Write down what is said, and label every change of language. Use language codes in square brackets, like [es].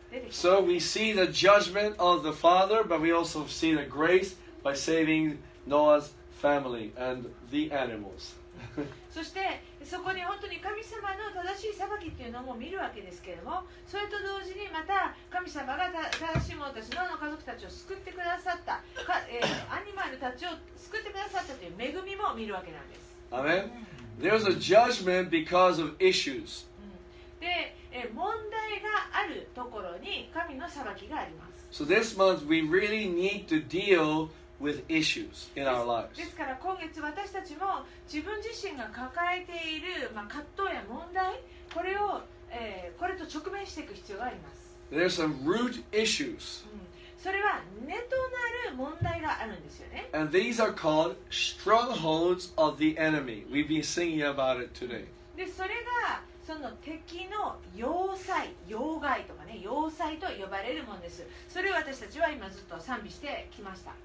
[en] So we see the judgment of the Father, but we also see the grace by saving Noah's family and the animals. [ja] そしてそこに本当に神様の正しい裁きっていうのも見るわけですけれども、それと同時にままた神様がただしも私の家族たちを救ってくださった、アニマルたちを救ってくださったという恵みも見るわけなんです。 [en] アメン。There's a judgment because of issues. [ja] で、問題があるところに神の裁きがあります。 [en] So this month we really need to deal with issues in our lives. [ja] ですから今月私たちも自分自身が抱えている、葛藤や問題、これを、これと直面していく必要があります。 [en] There's some root issues.、 [ja] それは根となる問題があるんですよね。 [en] And these are called strongholds of the enemy. We've been singing about it today. [ja] で、それがその敵の要塞、要害とかね、要塞と呼ばれるものです。それを私たちは今ずっと賛美してきました。